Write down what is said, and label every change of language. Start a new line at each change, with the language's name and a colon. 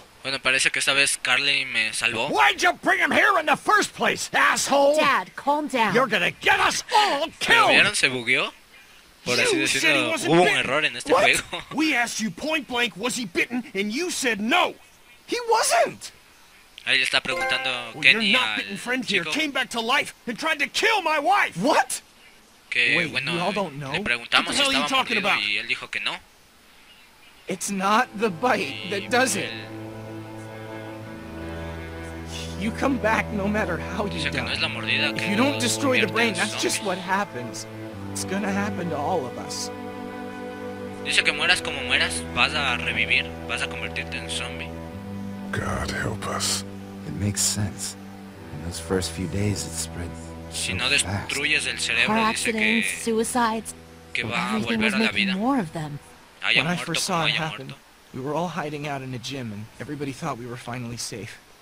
Spanish: Bueno, parece que esta vez Carly me salvó.
English: Why'd you bring him here in the first place, asshole? Dad, calm down. You're gonna get us all killed.
Spanish: ¿Me vieron? Se bugueó. Por así decirlo, hubo un error en este juego.
English: We asked you point blank, was he bitten, and you said no. He wasn't.
Spanish: Ahí le está preguntando Kenny al chico.
English: Your friend here came back to life and tried to kill my wife. What?
Spanish: Que bueno, le preguntamos si estaba mordido y él dijo que no.
English: It's not the bite that does it. You come back no matter how you die. If you don't destroy the brain, that's just what happens. It's gonna happen to all of us.
Spanish: Dice que mueras como mueras, vas a revivir, vas a convertirte en zombie.
English: God help us. It makes sense. In those first few days, it spread so
Spanish: si no destruyes el cerebro,
English: car accidents,
Spanish: dice
English: suicides,
Spanish: que va a volver a la vida.
English: More of them. When I first saw it happen, we were all hiding out in a gym, and everybody thought we were finally safe.